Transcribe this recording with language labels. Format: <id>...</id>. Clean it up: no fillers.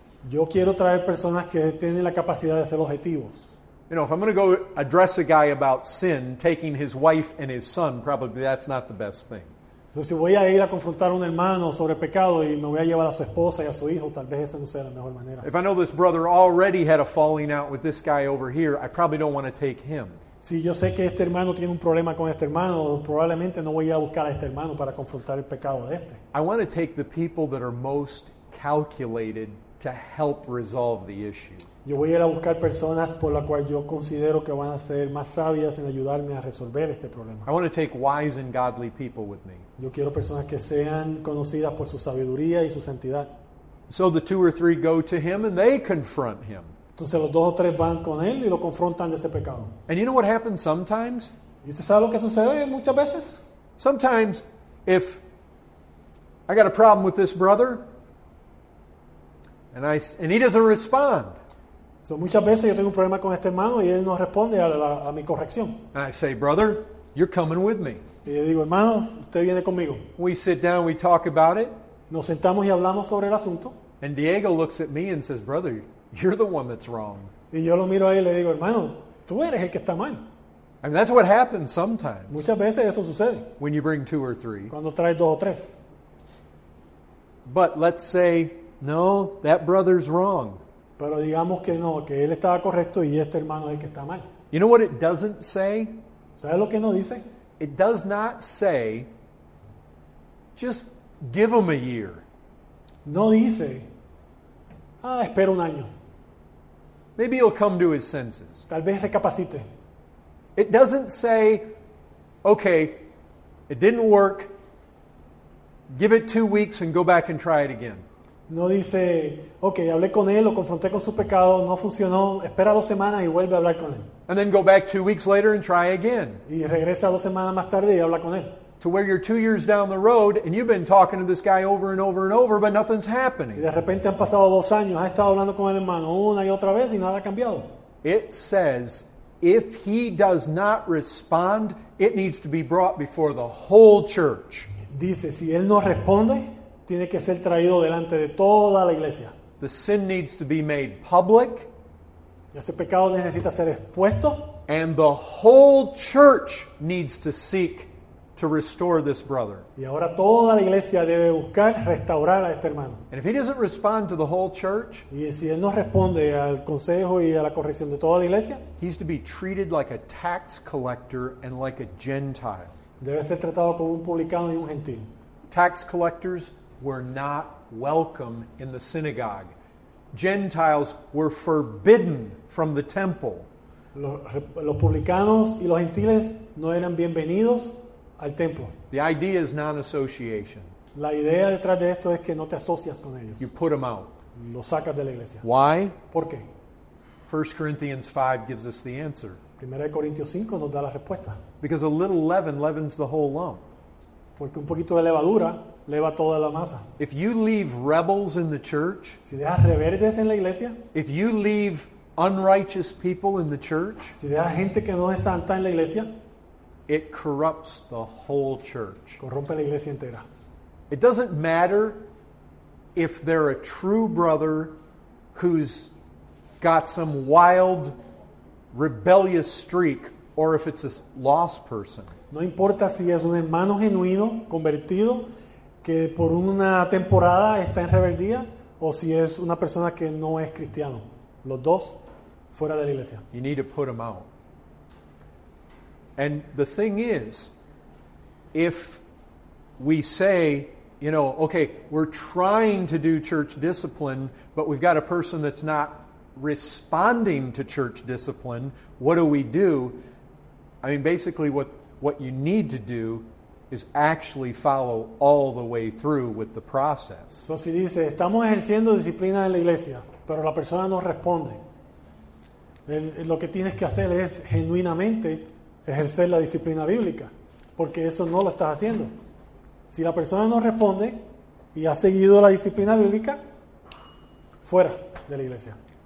<es>Yo quiero traer personas que tienen la capacidad de ser objetivos.</es> <en>You know, if I'm going to go address a guy about sin, taking his wife and his son, probably that's not the best thing.</en> <es>Entonces, si voy a ir a confrontar a un hermano sobre pecado y me voy a llevar a su esposa y a su hijo, tal vez esa no sea la mejor manera.</es> <en>If I know this brother already had a falling out with this guy over here, I probably don't want to take him.</en> <es>Si yo sé que este hermano tiene un problema con este hermano, probablemente no voy a buscar a este hermano para confrontar el pecado de este.</es> <en>I want to take the people that are most calculated to help resolve the issue.</en> <es>Yo voy a ir a buscar personas por las cuales yo considero que van a ser más sabias en ayudarme a resolver este problema.</es> <en>I want to take wise and godly people with me.</en> <es>Yo quiero personas que sean conocidas por su sabiduría y su santidad.</es> <en>So the two or three go to him and they confront him.</en> <es>Entonces los dos o tres van con él y lo confrontan de ese pecado.</es> <en>And you know what happens sometimes?</en> <es>¿Y usted sabe lo que sucede muchas veces?</es> <en>Sometimes, if I got a problem with this brother, and he doesn't respond.</en> <es>So muchas veces yo tengo un problema con este hermano y él no responde a mi corrección.</es> <en>And I say, brother, you're coming with me.</en> <es>Y yo digo, hermano, usted viene conmigo.</es> <en>We sit down, we talk about it.</en> <es>Nos sentamos y hablamos sobre el asunto.</es> <en>And Diego looks at me and says, brother, you're the one that's wrong.</en> <es>Y yo lo miro ahí y le digo, hermano, tú eres el que está mal.</es> <en>I mean, that's what happens sometimes.</en> <es>Muchas veces eso sucede.</es> <en>When you bring two or three.</en> <es>Cuando traes dos o tres.</es> <en>But let's say, no, that brother's wrong.</en> <es>Pero digamos que no, que él estaba correcto y este hermano es el que está mal.</es> <en>You know what it doesn't say?</en> <es>¿Sabes lo que no dice?</es> <en>It does not say, just give him a year.</en> <es>No dice, espera un año.</es> <en>Maybe he'll come to his senses.</en> <es>Tal vez recapacite.</es> <en>It doesn't say, okay, it didn't work, give it 2 weeks and go back and try it again.</en> <es>No dice, okay, hablé con él, lo confronté con su pecado, no funcionó, espera 2 semanas y vuelve a hablar con él.</es> <en>And then go back 2 weeks later and try again.</en> <es>Y regresa 2 semanas más tarde y habla con él.</es> <en>To where you're 2 years down the road and you've been talking to this guy over and over and over, but nothing's happening.</en> <es>Y de repente han pasado 2 años, ha estado hablando con el hermano una y otra vez y nada ha cambiado.</es> <en>It says, if he does not respond, it needs to be brought before the whole church.</en> <es>Dice, si él no responde, tiene que ser traído delante de toda la iglesia.</es> <en>The sin needs to be made public.</en> <es>Ese pecado necesita ser expuesto.</es> <en>And the whole church needs to seek to restore this brother.</en> <es>Y ahora toda la iglesia debe buscar restaurar a este hermano.</es> <en>And if he doesn't respond to the whole church,</en> <es>y si él no responde al consejo y a la corrección de toda la iglesia,</es> <en>he's to be treated like a tax collector and like a Gentile.</en> <es>Debe ser tratado como un publicano y un gentil.</es> <en>Tax collectors were not welcome in the synagogue. Gentiles were forbidden from the temple.</en> <es>Los publicanos y los gentiles no eran bienvenidos al templo.</es> <en>The idea is non-association.</en> <es>La idea detrás de esto es que no te asocias con ellos.</es> <en>You put them out.</en> <es>Los sacas de la iglesia.</es> <en>Why?</en> <es>¿Por qué?</es> <en>1 Corinthians 5 gives us the answer.</en> <es>1 Corintios 5 nos da la respuesta.</es> <en>Because a little leaven leavens the whole lump.</en> <es>Porque un poquito de levadura leva toda la masa.</es> <en>If you leave rebels in the church,</en> <es>si dejas rebeldes en la iglesia,</es> <en>if you leave unrighteous people in the church,</en> <es>si dejas gente que no es santa en la iglesia,</es> <en>it corrupts the whole church.</en> <es>Corrompe la iglesia entera.</es> <en>It doesn't matter if they're a true brother who's got some wild rebellious streak or if it's a lost person.</en> <es>No importa si es un hermano genuino, convertido, que por una temporada está en rebeldía, o si es una persona que no es cristiano. Los dos, fuera de la iglesia.</es> <en>You need to put them out. And the thing is, if we say, you know, okay, we're trying to do church discipline, but we've got a person that's not responding to church discipline. What do we do? I mean, basically what you need to do is actually follow all the way through with the process.</en> <es>So si dice, estamos ejerciendo disciplina en la iglesia, pero la persona no responde. Lo que tienes que hacer es genuinamente ejercer la disciplina bíblica, porque eso no lo estás haciendo. Si la persona no responde y ha seguido la disciplina bíblica, fuera de la iglesia.</es>